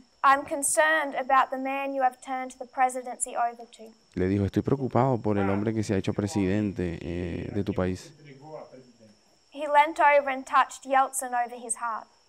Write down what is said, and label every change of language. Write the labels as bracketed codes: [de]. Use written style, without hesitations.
[en] I'm concerned about the man you have turned the presidency over to. [es] Le dijo, estoy preocupado por el hombre que se ha hecho presidente de tu país. [en] He leant over and touched Yeltsin over his heart.